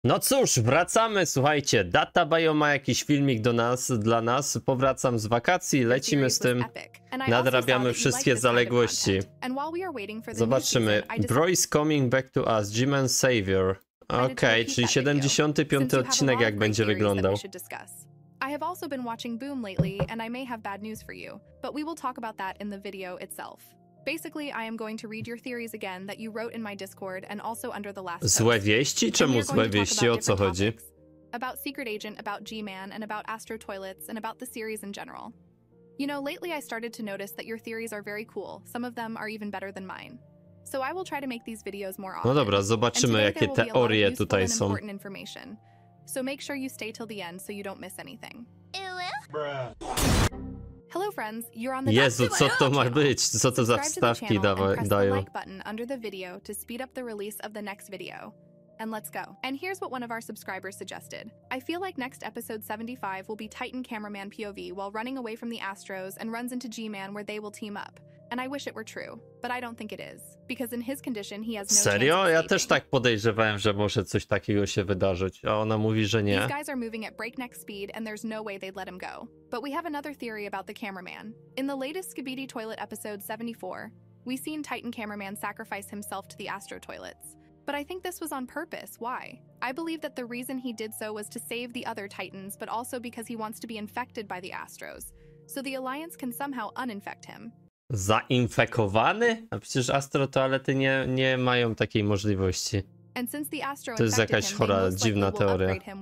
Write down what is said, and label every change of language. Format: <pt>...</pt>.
<pl>No cóż, wracamy, słuchajcie, Data Bio ma jakiś filmik do nas, dla nas, powracam z wakacji, lecimy z tym, nadrabiamy wszystkie zaległości. Zobaczymy,</pl> <en>Broy's Coming Back to Us, G-Man Savior.</en> <pl>Okej, okay, czyli 75. odcinek jak będzie wyglądał.</pl> <en>I have also been watching Boom lately, and I may have bad news for you, but we will talk about that in the video itself. Basically, I am going to read your theories again that you wrote in my Discord and also under the last</en> <pl>Złe wieści? Czemu złe wieści? O co chodzi?</pl> <en>About Secret Agent, about G-Man, and about Astro Toilets, and about the series in general. You know, lately I started to notice that your theories are very cool. Some of them are even better than mine. So I will try to make these videos more often.</en> <pl>No dobra, zobaczymy, jakie teorie tutaj są.</pl> <en>So make sure you stay till the end so you don't miss anything. Hello friends, you're on the</en> <pl>Jezu, co to ma być? Co to za wstawki dają?</pl> <en>Like button under the video to speed up the release of the next video. And let's go. And here's what one of our subscribers suggested. I feel like next episode 75 will be Titan cameraman POV while running away from the Astros and runs into G-Man where they will team up. And I wish it were true, but I don't think it is, because in his condition he has no</en> <pl>Serio? Ja też tak podejrzewałem, że może coś takiego się wydarzyć, a ona mówi, że nie.</pl> <en>These guys are moving at breakneck speed and there's no way they'd let him go. But we have another theory about the cameraman. In the latest Skibidi Toilet episode 74, we seen Titan cameraman sacrifice himself to the Astro Toilets. But I think this was on purpose. Why? I believe that the reason he did so was to save the other Titans, but also because he wants to be infected by the Astros, so the Alliance can somehow uninfect him.</en> <pl>Zainfekowany? A przecież Astro Toalety nie mają takiej możliwości. To jest jakaś chora, dziwna teoria.</pl>